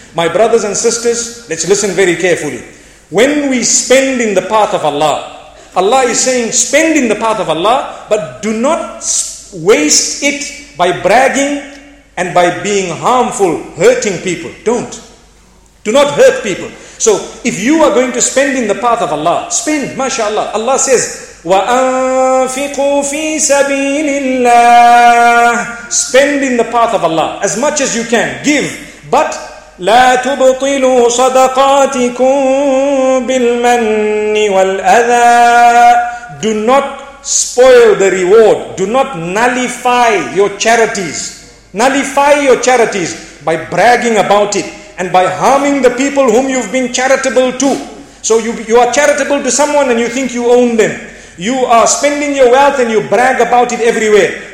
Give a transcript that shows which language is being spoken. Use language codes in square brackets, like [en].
[en] My brothers and sisters, let's listen very carefully. When we spend in the path of Allah, Allah is saying, spend in the path of Allah, but do not waste it by bragging and by being harmful, hurting people. Don't. Do not hurt people. So if you are going to spend in the path of Allah, spend, mashallah. Allah says, [ar] وَأَنفِقُوا فِي سَبِيلِ اللَّهِ. [en] Spend in the path of Allah as much as you can. Give. But [ar] لا تبطلوا صدقاتكم بالمن والأذى. [en] Do not spoil the reward. Do not nullify your charities. Nullify your charities by bragging about it and by harming the people whom you've been charitable to. So you are charitable to someone and you think you own them. You are spending your wealth and you brag about it everywhere.